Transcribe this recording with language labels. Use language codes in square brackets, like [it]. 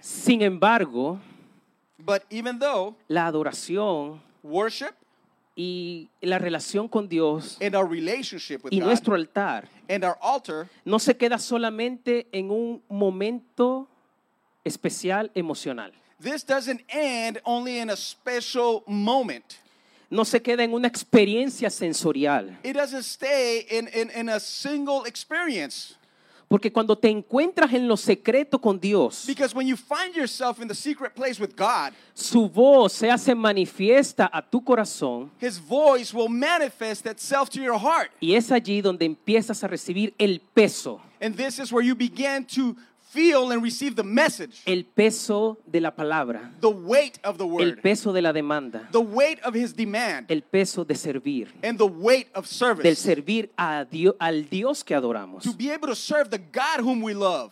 [es] Sin embargo. [en] But even though. [es] La adoración. [en] Worship. [es] Y la relación con Dios. [en] And our relationship with [es] God. Y nuestro altar. [en] And our altar. [es] No se queda solamente en un momento especial emocional. [en] This doesn't end only in a special moment. [es] No se queda en una experiencia sensorial. [en] It doesn't stay in a single experience. [es] Porque cuando te encuentras en lo secreto con Dios. [en] Because when you find yourself in the secret place with God. [es] Su voz se hace manifiesta a tu corazón. [en] His voice will manifest itself to your heart. [es] Y es allí donde empiezas a recibir el peso. [en] And this is where you begin to feel and receive the message. [es] El peso de la palabra. [en] The weight of the word. [es] El peso de la demanda. [en] The weight of his demand. [es] El peso de servir. [en] And the weight of service. [es] Del servir a Dios, al Dios que adoramos. [en] To be able to serve the God whom we love.